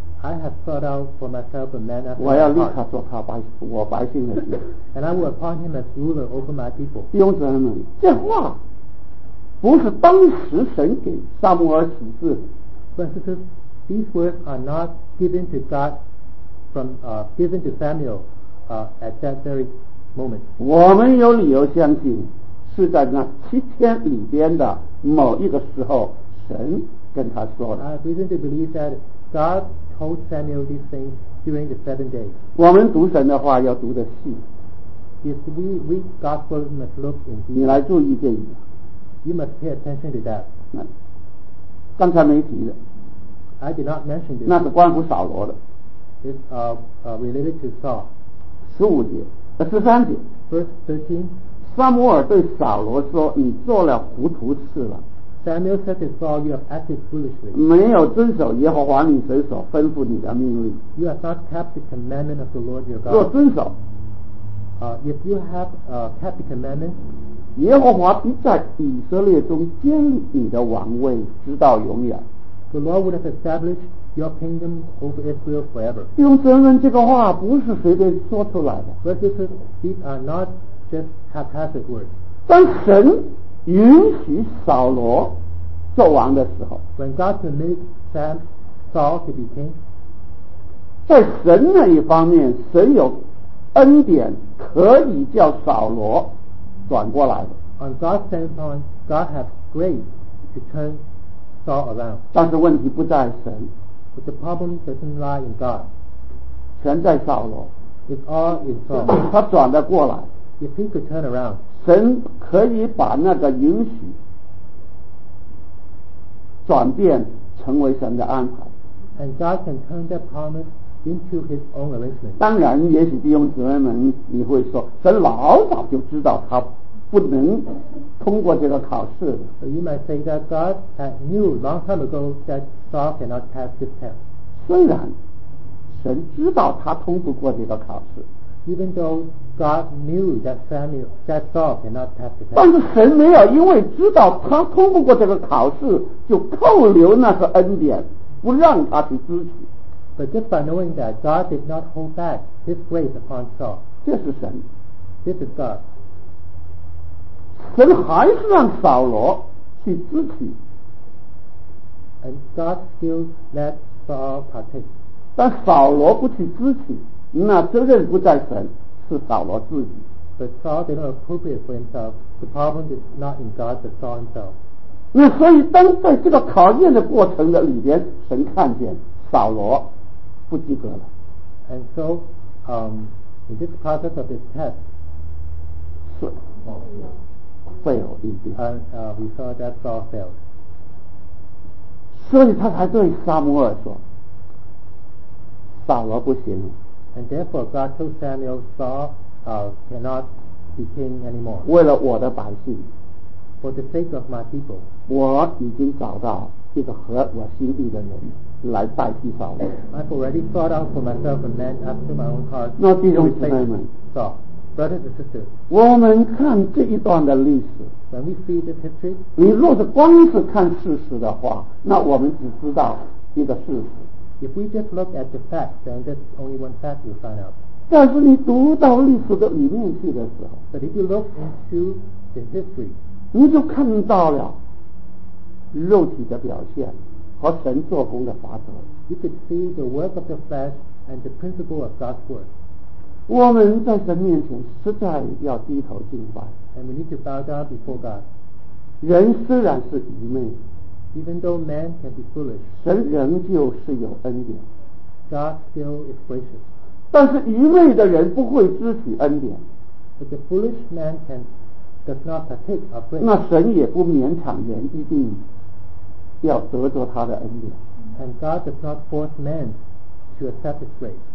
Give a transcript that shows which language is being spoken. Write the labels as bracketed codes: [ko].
[en] I have sought out for myself a man after my heart. [zh] 我要立刻做他百我百姓的君。 [en] And I will appoint him as ruler over my people. [zh] 弟兄姊妹们，这话。不是当时神给撒母耳启示 [en] but because these words are not given to God from given to Samuel at that very moment. [zh] 我们有理由相信，是在那七天里边的某一个时候，神跟他说的。 [en] I have reason to believe that God told Samuel these things during the 7 days. [zh] 我们读神的话要读得细。 [en] If we read God's word, we must look in detail. [zh] 你来注意这一点。 [en] You must pay attention to that. [zh] 刚才没提的。 [en] I did not mention this. [zh] 那是关乎扫罗的。 [en] It's related to Saul. [zh] 13节。 [en] Verse 13. [zh] 撒母耳对扫罗说：“你做了糊涂事了。” [en] Samuel said to Saul, "You have acted foolishly." [zh] 没有遵守耶和华你神所吩咐你的命令。 [en] You have not kept the commandment of the Lord your God. [zh] 若遵守。 [en] If you have kept the commandment. [zh] 耶和华必在以色列中建立你的王位，直到永远。 [en] The Lord would have established your kingdom over Israel forever. [zh] 弟兄姊妹们，这个话不是随便说出来的。 [en] Verses these are not just haphazard words. [zh] 当神允许扫罗做王的时候 [en] ，When God permitted Saul to be king, [zh] 在神那一方面，神有恩典可以叫扫罗。转过来的。 [en] On God's standpoint, God has grace to turn Saul around. [zh] 但是问题不在神。 [en] But the problem doesn't lie in God. [zh] 全在扫罗。 [en] It's all in Saul. [zh] 他转得过来。 [en] If he could turn around, [zh] 神可以把那个允许转变成为神的安排。 [en] And God can turn that promise. Into his own arrangement. [zh] 当然，也许弟兄姊妹们，你会说，神老早就知道他不能通过这个考试。 [en] So、you might say that God had knew long time ago that Saul cannot pass this test. [zh] 虽然神知道他通不过这个考试 [en] ，Even though God knew that Samuel that Saul cannot pass this test. [zh] 但是神没有因为知道他通不过这个考试，就扣留那个恩典，不让他去支取。 [en] But just by knowing that God did not hold back His grace upon Saul, [zh] 这是神 [en] This is God. [zh] 神还是让扫罗去支取 [en] And God still let Saul partake. [zh] 但扫罗不去支取，那责任不在神，是扫罗自己。 [en] But Saul did not appropriate for himself. The problem is not in God, but Saul himself. [zh] 那所以当在这个考验的过程的里边，神看见扫罗。不及格了。 [en] And so, in this process of this test, [zh] 是 fail 一定。 [en] We saw that Saul failed. [zh] 所以他才对撒母耳说，扫罗不行。 [en] And therefore, God told Samuel, Saul cannot be king anymore. [zh] 为了我的百姓 [en] ，for the sake of my people, [zh] 我已经找到这个合我心意的人。来代替扫罗。 [en] I've already thought out for myself a man after my own heart. [zh] 那弟兄姊妹们 [en] ，So, brothers and sisters, [zh] 我们看这一段的历史。 [en] When we see this history, [zh] 你若是光是看事实的话，那我们只知道一个事实。 [en] If we just look at the facts, then there's only one fact we'll find out. [zh] 但是你读到历史的里面去的时候， [en] But if you look into the history， [zh] 你就看到了肉体的表现和神做工的法则。 [en] You could see the work of the flesh and the principle of God's work。 [zh] 我们在神面前实在要低头敬拜。 [en] And we need to bow down before God。 [zh] 人虽然是愚昧， [en] Even though man can be foolish， [zh] 神仍旧是有恩典。 [en] God still is gracious。 [zh] 但是愚昧的人不会知取恩典。 [en] But the foolish man can does not partake of grace。 [zh] 那神也不勉强人一定要得着他的恩典。 [en] And God does not force man to accept his grace。